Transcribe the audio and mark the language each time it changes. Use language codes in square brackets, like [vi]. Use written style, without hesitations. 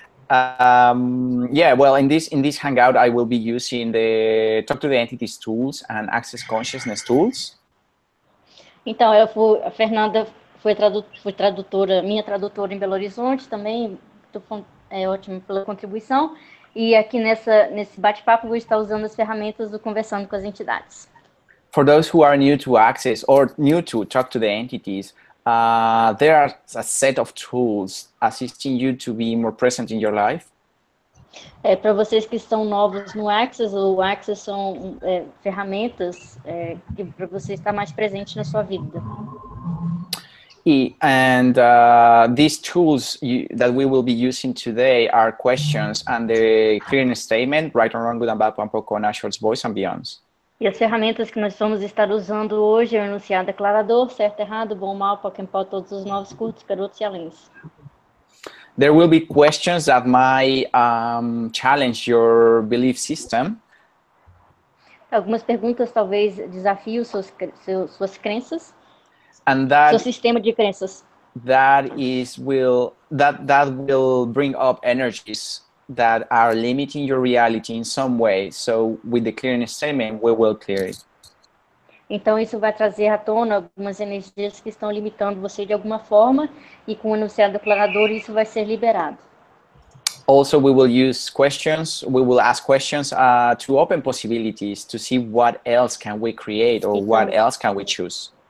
[en] Yeah, well, in this hangout, I will be using the talk to the entities tools and access consciousness tools. [pt] Então, a Fernanda foi tradutora, minha tradutora em Belo Horizonte também. É ótimo pela contribuição. E aqui nesse bate-papo, vou estar usando as ferramentas do Conversando com as Entidades. [en] For those who are new to Access or new to talk to the entities, there are a set of tools assisting you to be more present in your life. [pt] Para vocês que estão novos no Access, o Access são ferramentas para você estar mais presente na sua vida. [en] These tools that we will be using today are questions and the clearing statement, right or wrong, good and bad, one poco, natural, voice and beyonds. [pt] E as ferramentas que nós vamos estar usando hoje é o enunciado declarador, certo, errado, bom, mal, para quem pode, todos os novos curtos, garotos e além. [en] There will be questions that might challenge your belief system. [pt] Algumas perguntas, talvez, desafiem suas crenças, [en] And that [pt] sistema de crenças. [en] that will bring up energies that are limiting your reality in some way. So with the clearness statement, we will clear it. [pt] Então isso vai trazer à tona algumas energias que estão limitando você de alguma forma, e com o enunciado declarador isso vai ser liberado. [en] Also, we will use questions. We will ask questions to open possibilities to see what else can we create or what else can we choose.